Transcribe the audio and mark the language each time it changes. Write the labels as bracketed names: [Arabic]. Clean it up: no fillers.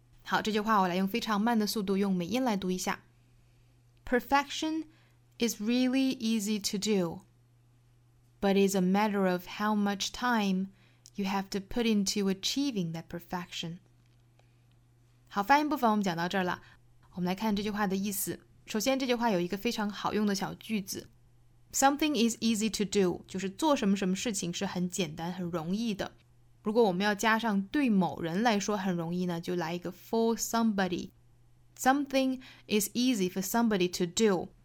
[Chinese] 好，这句话我来用非常慢的速度用美音来读一下。 [English] Perfection is really easy to do, but it's a matter of how much time you have to put into achieving that perfection。 [Chinese] 好，发音部分我们讲到这儿了，我们来看这句话的意思。首先这句话有一个非常好用的小句子， [English] Something is easy to do， [Chinese] 就是做什么什么事情是很简单很容易的。如果我们要加上对某人来说很容易呢，就来一个 [English] for somebody， Something is easy for somebody to do。